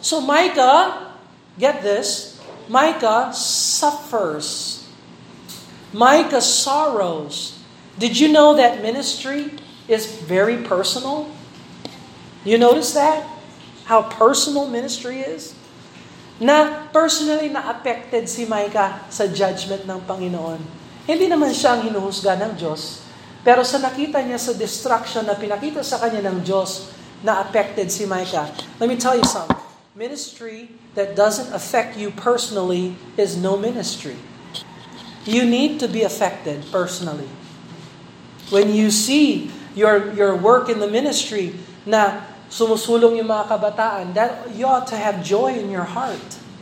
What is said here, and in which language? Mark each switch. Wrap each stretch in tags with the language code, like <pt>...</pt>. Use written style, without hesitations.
<en>So Micah, get this, Micah suffers. Micah sorrows. Did you know that ministry is very personal? You notice that? How personal ministry is?</en> <tl>Na personally na-affected si Micah sa judgment ng Panginoon. Hindi naman siya ang hinuhusga ng Diyos. Pero sa nakita niya sa destruction na pinakita sa kanya ng Diyos, na-affected si Micah.</tl> <en>Let me tell you something. Ministry that doesn't affect you personally is no ministry. You need to be affected personally. When you see your work in the ministry</en> <tl>na sumusulong yung mga kabataan,</tl> <en>that you ought to have joy in your heart.</en>